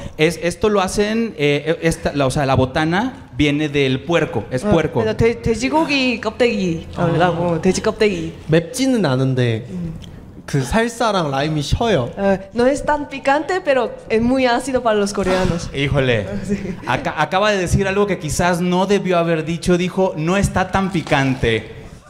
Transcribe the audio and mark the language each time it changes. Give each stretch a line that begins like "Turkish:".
Spanish: Esto lo hacen, o sea, la botana viene del puerco. Es puerco.
Korean: 돼지고기 껍데기. 라고 돼지 껍데기. 맵지는 않은데 그 살사랑 라임이 셔요.
Spanish: No es tan picante, pero es muy ácido para los coreanos. ¡Híjole! Acaba de decir algo que quizás no debió haber dicho. Dijo, no está tan picante.